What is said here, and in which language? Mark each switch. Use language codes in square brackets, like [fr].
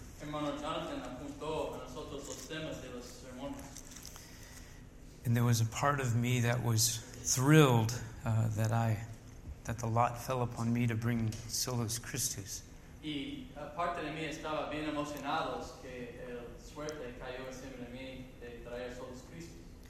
[es] Hermano Jonathan apuntó a nosotros los temas de los sermones. [en] And there was a part of me that was thrilled that the lot fell upon me to bring Solus Christus. [es] Y parte de mí estaba bien emocionados que el suerte cayó encima de mí de traer Solus Christus.